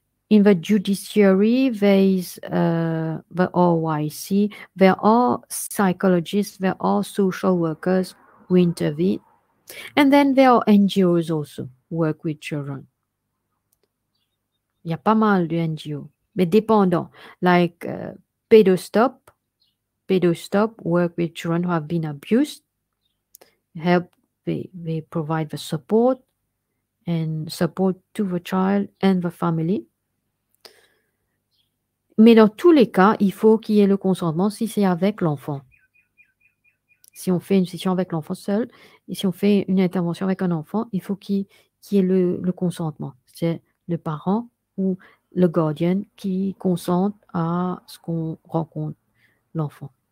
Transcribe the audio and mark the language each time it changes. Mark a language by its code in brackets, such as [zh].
[en] In the judiciary, there is the OYC, there are psychologists, there are social workers who intervene. And then there are NGOs also work with children. [fr] Il y a pas mal de NGOs, mais dépendant. [en] Like PedoStop work with children who have been abused, help, they provide the support and support to the child and the family. [fr] Mais dans tous les cas, il faut qu'il y ait le consentement si c'est avec l'enfant. Si on fait une session avec l'enfant seul, et si on fait une intervention avec un enfant, il faut qu'il y ait le consentement. C'est le parent ou le guardian qui consente à ce qu'on rencontre l'enfant.